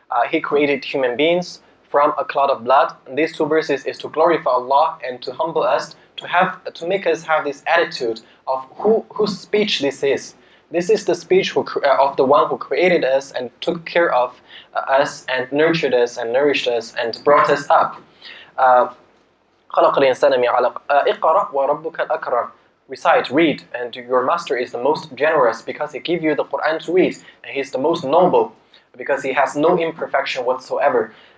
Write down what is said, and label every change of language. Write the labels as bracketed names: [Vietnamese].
[English] He created human beings from a cloud of blood. And these two verses is to glorify Allah and to humble us, to make us have this attitude of whose speech this is. This is the speech of the one who created us and took care of us and nurtured us and nourished us and brought us up. [Arabic] خلق الإنسان من علق اقرأ وربك الأكرم. [English] Recite, read, and your master is the most generous because he gave you the Quran to read, and he is the most noble because he has no imperfection whatsoever.